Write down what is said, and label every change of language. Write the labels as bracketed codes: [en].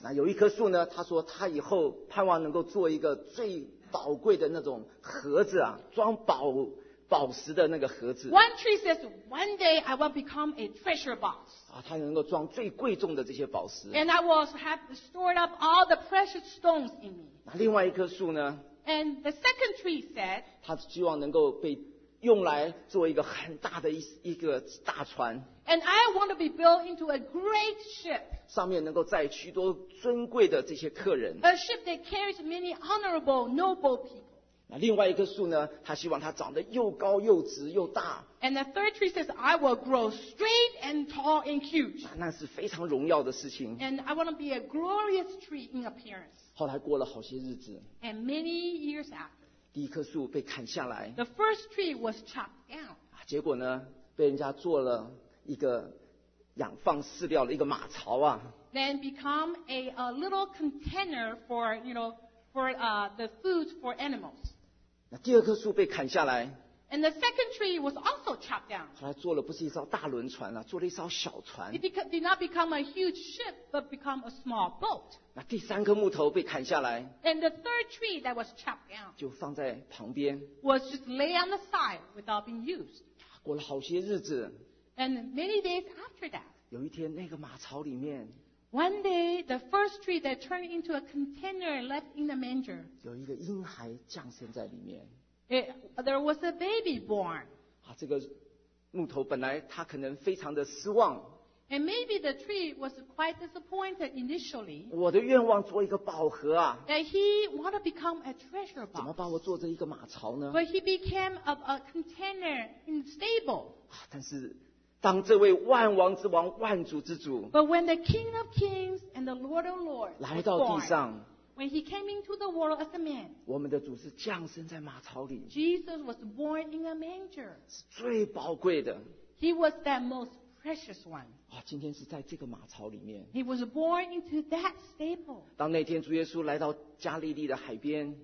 [zh] 那有一棵树呢，他说他以后盼望能够做一个最宝贵的那种盒子啊，装宝石的那个盒子。 [en] One tree says, "One day I will become a treasure box." [zh] 啊，它能够装最贵重的这些宝石。 [en] And I will have stored up all the precious stones in me. [zh] 那另外一棵树呢 [en] ？And the second tree said, [zh] 它希望能够被用来做一个很大的一个大船。 [en] And I want to be built into a great ship. [zh] 上面能够载许多尊贵的这些客人。 [en] A ship that carries many honorable, noble people. [zh] 那另外一棵树呢？他希望它长得又高又直又大。 [en] And the third tree says, I will grow straight and tall and huge. [zh] 那是非常荣耀的事情。 [en] And I want to be a glorious tree in appearance. [zh] 后来过了好些日子。 [en] And many years after. [zh] 第一棵树被砍下来。 [en] The first tree was chopped down. [zh] 结果呢，被人家做了一个养放饲料的一个马槽啊。 [en] Then become a little container for, you know,the food for animals. [zh] 那第二棵树被砍下来。 [en] And the second tree was also chopped down. [zh] 后来做了不是一艘大轮船了，做了一艘小船。 [en] It did not become a huge ship, but become a small boat. [zh] 那第三棵木头被砍下来。 [en] And the third tree that was chopped down. [zh] 就放在旁边。 [en] Was just lay on the side without being used. [zh] 过了好些日子。 [en] And many days after that. [zh] 有一天，那个马槽里面。 [en] One day, the first tree that turned into a container left in the manger. [zh] 有一个婴孩降生在里面。 [en] There was a baby born. [zh] 啊，这个木头本来它可能非常的失望。 [en] And maybe the tree was quite disappointed initially. [zh] 我的愿望做一个宝盒啊。 [en] And he wanted to become a treasure box. [zh] 怎么把我做成一个马槽呢 [en] ？But he became a container in the stable. [zh] 啊，但是。当这位万王之王万主之主 [en] But when the King of Kings and the Lord of Lords [zh] 来到地上 [en] When he came into the world as a man [zh] 我们的主是降生在马槽里 [en] Jesus was born in a manger [zh] 是最宝贵的 [en] He was that most precious one [zh] 啊，今天是在这个马槽里面 [en] He was born into that stable [zh] 当那天主耶稣来到加利利的海边